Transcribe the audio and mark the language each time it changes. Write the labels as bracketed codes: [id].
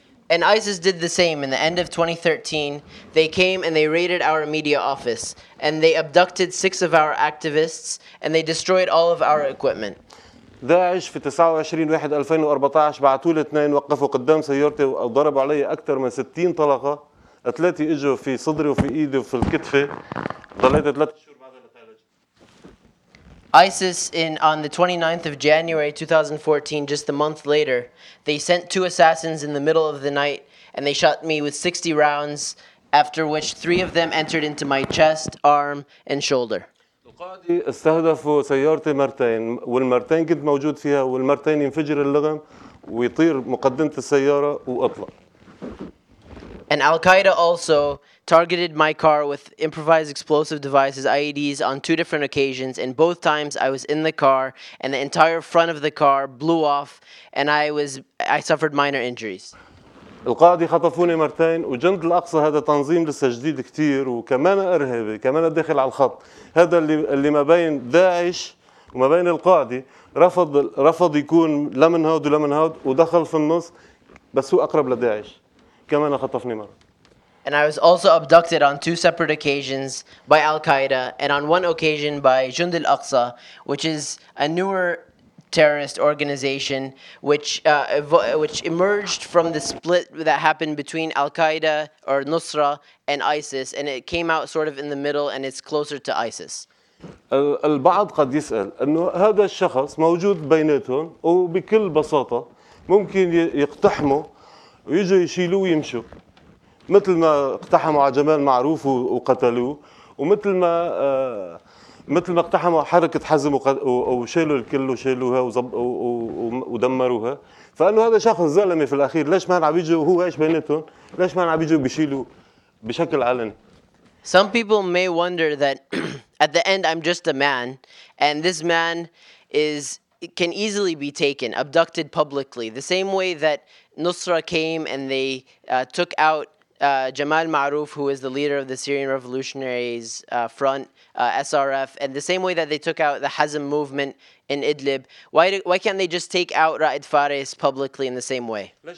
[en] And ISIS did the same in the end of 2013. They came and they raided our media office and they abducted 6 of our activists and they destroyed all of our equipment. [ar] داعش في 29/1/2014 بعثوا لي 2 وقفوا قدام سيارتي وضربوا علي اكثر من 60 طلقه 3 اجوا في صدري وفي ايدي وفي الكتفه ضليت 3 شهور [en] ISIS on the 29th of January 2014, just a month later, they sent 2 assassins in the middle of the night and they shot me with 60 rounds, after which 3 of them entered into my chest, arm, and shoulder. [ar] القاضي استهدفوا سيارتي مرتين والمرتين كنت موجود فيها والمرتين ينفجر اللغم ويطير مقدمة السيارة واطلع. [en] And Al-Qaeda also targeted my car with improvised explosive devices, IEDs, on 2 different occasions. And both times I was in the car and the entire front of the car blew off and I suffered minor injuries. [ar] القاعدة خطفوني مرتين وجند الأقصى هذا تنظيم لسه جديد كتير وكمان إرهابي كمان داخل على الخط هذا اللي ما بين داعش وما بين القاعدة رفض يكون لا من هاد ولا من هاد ودخل في النص بس هو أقرب لداعش كمان خطفني مرة. [en] And I was also abducted on 2 separate occasions by Al-Qaeda and on 1 occasion by Jund al-Aqsa, which is a newer terrorist organization which emerged from the split that happened between Al-Qaeda or Nusra and ISIS, and it came out sort of in the middle and it's closer to ISIS. [ar] البعض قد يسأل أنه هذا الشخص موجود بيناتهم وبكل بساطة ممكن يقتحموا ويجوا يشيلوه ويمشوا مثل ما اقتحموا على جمال معروف وقتلوه ومثل ما مثل ما اقتحموا حركة حزم وشيلوا الكل وشيلوها ودمروها فأنه هذا شخص ظلمي في الأخير ليش ما عم يجوا هو إيش بيناتهم ليش ما عم يجوا بيشيلوا بشكل علني. [en] Some people may wonder that at the end I'm just a man and this man is can easily be taken, abducted publicly. The same way that Nusra came and they took out Jamal Maarouf, who is the leader of the Syrian Revolutionaries Front, SRF, and the same way that they took out the Hazm movement in Idlib, why can't they just take out Raed Fares publicly in the same way?